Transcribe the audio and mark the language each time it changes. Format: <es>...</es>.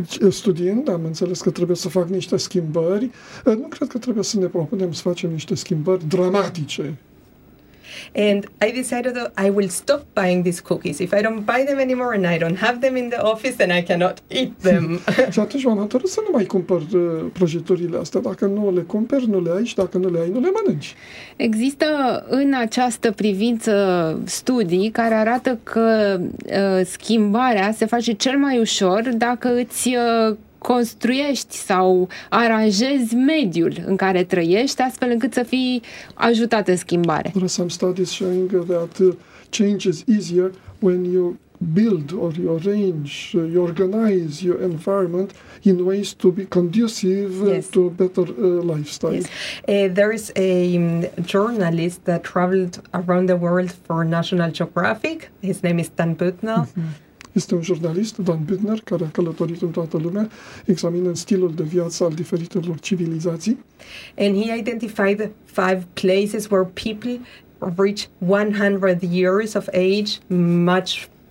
<ro>Studiind, am înțeles că trebuie să fac niște schimbări. Nu cred că trebuie să ne propunem să facem niște schimbări dramatice.</ro> <en>And I decided that I will stop buying these cookies. If I don't buy them anymore and I don't have them in the office, then I cannot eat them.</en> <ro>Și atunci m-am hotărât să nu mai cumpăr prăjiturile astea. Dacă nu le cumperi, nu le ai și dacă nu le ai, nu le mănânci. Există în această privință studii care arată că schimbarea se face cel mai ușor dacă îți construiești sau aranjezi mediul în care trăiești astfel încât să fii ajutat în schimbare.</ro> <en>There are some studies showing that change is easier when you build or you arrange, you organize your environment in ways to be conducive, yes, to a better lifestyle. Yes. There is a journalist that traveled around the world for National Geographic. His name is Dan Butner. Mm-hmm.</en> <ro>Este un jurnalist, Dan Büttner, care a călătorit în toată lumea, examinând stilul de viață al diferitelor civilizații.</ro> <en>And he identified 5 places where people reach 100 years of age much</en>